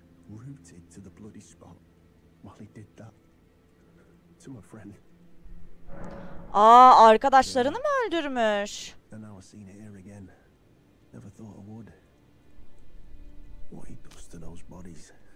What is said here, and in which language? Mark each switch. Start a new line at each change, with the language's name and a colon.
English: Rooted to the bloody spot. Molly did that to a friend.
Turkish: Aa, arkadaşlarını mı öldürmüş?
English: Then I was seen here again. Never thought I would. What he does to those bodies.